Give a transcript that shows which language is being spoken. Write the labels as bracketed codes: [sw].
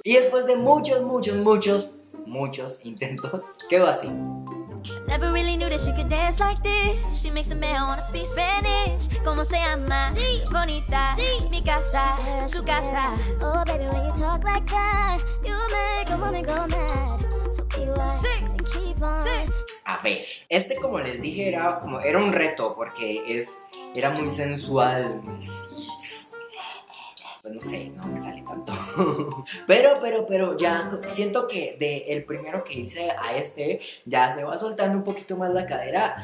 [es] Y después de muchos intentos, quedó así. [en] Never really knew that she could dance like this. She makes a man wanna speak Spanish. [es] Como se llama? Sí. Bonita. Sí. Mi casa. Su casa. [en] Oh baby, when you talk like that, you make a woman go mad. So be wise and keep on. [es] A ver, este, como les dije, era un reto porque era muy sensual. No sé, no me sale tanto. Pero ya siento que de el primero que hice a este ya se va soltando un poquito más la cadera.